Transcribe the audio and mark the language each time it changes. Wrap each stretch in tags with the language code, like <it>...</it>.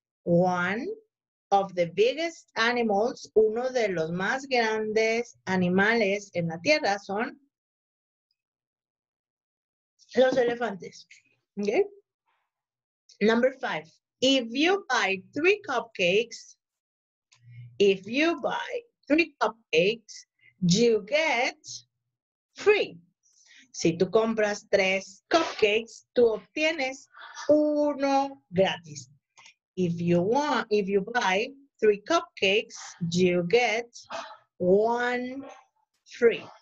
<en>One of the biggest animals,</en> <es>uno de los más grandes animales en la tierra son los elefantes. Okay.</es> <en>Number five, if you buy three cupcakes, you get free.</en> <es>Si tú compras tres cupcakes, tú obtienes uno gratis.</es> <en>If you buy three cupcakes, you get one free.</en>